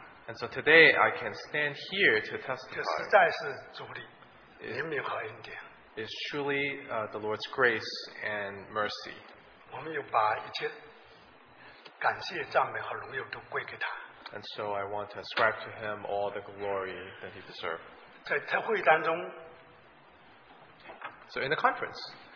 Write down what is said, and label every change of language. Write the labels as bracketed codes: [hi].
[en] and so today, I can stand here to testify. [zh] 这实在是主力, 怜悯和恩典。 [en] is truly the Lord's grace and mercy. And so I want to ascribe to him all the glory that he deserved. So in the conference,